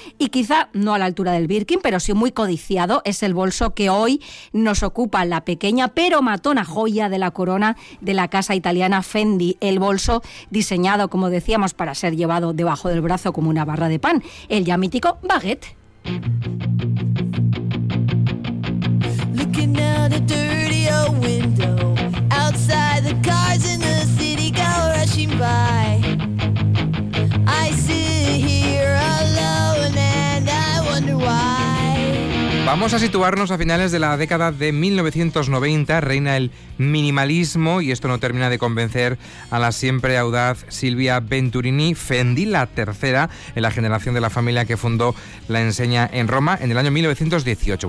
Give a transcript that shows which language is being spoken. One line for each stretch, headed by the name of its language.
Spanish: Y quizá no a la altura del Birkin, pero sí muy codiciado es el bolso que hoy nos ocupa, la pequeña pero matona joya de la corona de la casa italiana Fendi, el bolso diseñado, como decíamos, para ser llevado debajo del brazo como una barra de pan, el ya mítico baguette.
English: Looking out a dirty old window, outside the cars in the city go rushing by. I sit here alone and I wonder why.
Spanish: Vamos a situarnos a finales de la década de 1990, reina el minimalismo y esto no termina de convencer a la siempre audaz Silvia Venturini, Fendi, la tercera en la generación de la familia que fundó la enseña en Roma en el año 1918.